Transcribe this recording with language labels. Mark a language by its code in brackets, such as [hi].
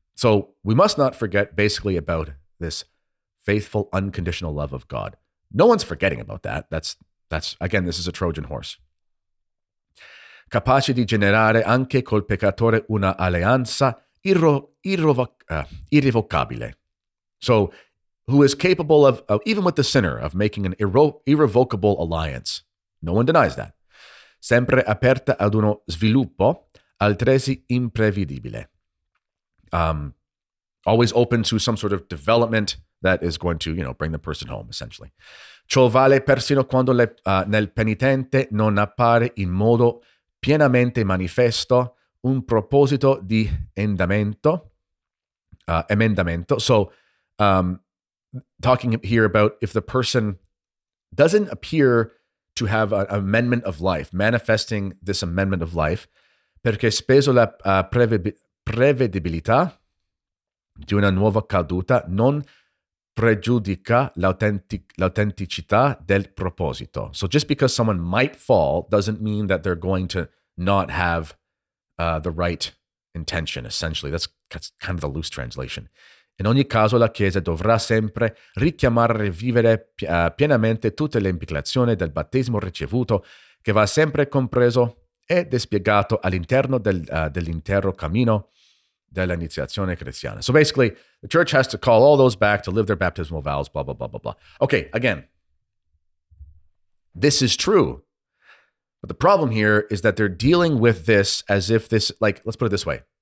[en] So we must not forget basically about this faithful, unconditional love of God. No one's forgetting about that. That's again, this is a Trojan horse. [it] Capace di generare anche col peccatore una alleanza irrevocabile. [en] So, who is capable of, even with the sinner, of making an irrevocable alliance. No one denies that. [it] Sempre aperta ad uno sviluppo altresì imprevedibile. [en] Always open to some sort of development that is going to, you know, bring the person home, essentially. [it] Ciò vale persino quando nel penitente non appare in modo pienamente manifesto un proposito di emendamento. [en] So, talking here about if the person doesn't appear to have an amendment of life, manifesting this amendment of life, [it] perché spesso la prevedibilità di una nuova caduta non pregiudica l'autenticità del proposito. [en] So just because someone might fall doesn't mean that they're going to not have the right intention, essentially. That's that's kind of the loose translation. [it] In ogni caso, la Chiesa dovrà sempre richiamare e vivere pienamente tutte le implicazioni del battesimo ricevuto, che va sempre compreso e dispiegato all'interno dell'intero cammino dell'iniziazione cristiana. [en] So basically, the church has to call all those back to live their baptismal vows, blah, blah, blah, blah, blah. Okay, again, this is true. But the problem here is that they're dealing with this as if this, like, let's put it this way.